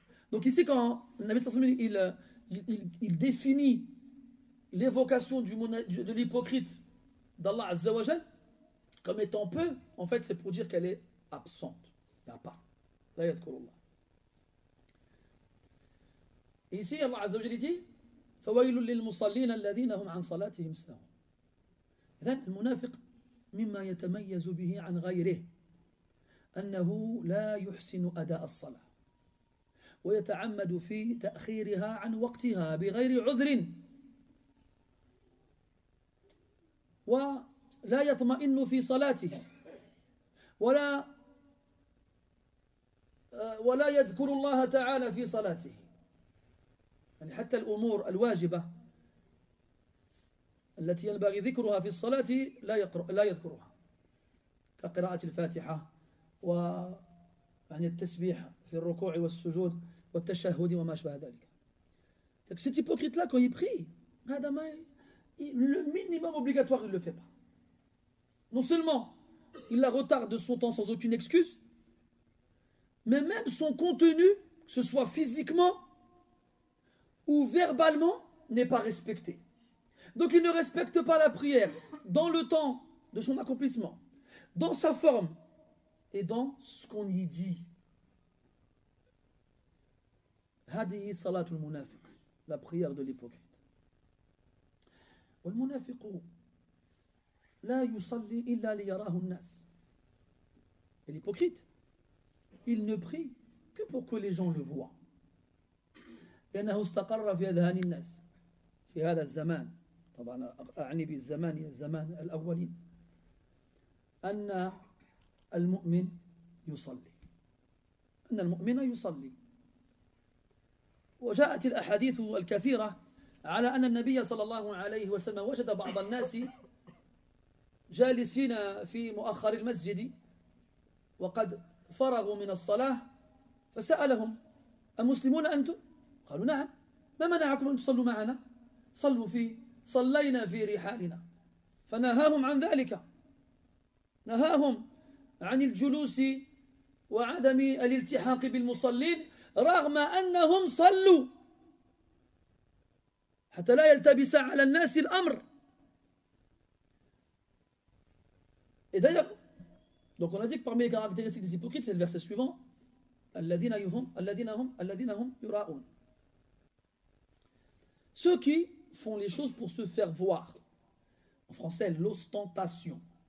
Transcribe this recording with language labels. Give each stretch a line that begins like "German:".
French: Donc ici, quand Nabi Sassoum, il définit l'évocation de l'hypocrite d'Allah Azza wa Jal comme étant peu, en fait, c'est pour dire qu'elle est absente. Il n'y a pas.
Arabic: La yadkurullah.
French: Ici, Allah Azza wa Jal dit
Arabic: فَوَيْلُ لِلْمُصَلِّينَ الَّذِينَ هُمْ عَنْ صَلَاتِهِمْ سَاهُونَ.
French: Et donc, le munafiq,
Arabic: مِمَّا يَتَمَيَّزُ بِهِ عَنْ غَيْرِهِ أَنَّهُ لَا يُحْسِنُ أَدَاءَ الصَّلَاةِ وَيَتَعَمَّدُ فِي تَأْخِيرِهَا عَنْ وَقْتِهَا بِغَيْرِ عُذْرٍ ولا يطمئن في صلاته ولا يذكر الله تعالى في صلاته يعني حتى الأمور الواجبة التي ينبغي ذكرها في الصلاة لا يذكرها كقراءة الفاتحة ويعني التسبيح في الركوع والسجود والتشهد وما شبه ذلك
French: donc cet hypocrite là quand il prie
Arabic: هذا ما
French: le minimum obligatoire il le fait pas. Non seulement il la retarde de son temps sans aucune excuse, mais même son contenu, que ce soit physiquement ou verbalement, n'est pas respecté. Donc il ne respecte pas la prière dans le temps de son accomplissement, dans sa forme et dans ce qu'on y dit.
Arabic: Hadihi salatul munafiq,
French: la prière de l'hypocrite.
Arabic: Wal munafiqu لا يصلي إلا ليراه الناس.
French: L'hypocrite, il ne prie que pour que les gens le voient.
Arabic: لأنه استقر في أذهان الناس في هذا الزمان. طبعا أعني بالزمان الزمان الأولين. أن المؤمن يصلي، أن المؤمن يصلي. وجاءت الأحاديث الكثيرة على أن النبي صلى الله عليه وسلم وجد بعض الناس جالسين في مؤخر المسجد وقد فرغوا من الصلاة، فسألهم: أمسلمون أنتم؟ قالوا: نعم. ما منعكم أن تصلوا معنا؟ صلوا في صلينا في رحالنا. فنهاهم عن ذلك، نهاهم عن الجلوس وعدم الالتحاق بالمصلين رغم أنهم صلوا، حتى لا يلتبس على الناس الأمر.
French: Et d'ailleurs, donc on a dit que parmi les caractéristiques des hypocrites, c'est le verset suivant:
Arabic: Alladhinahum yura'un.
French: Ceux qui font les choses pour se faire voir. En français, l'ostentation.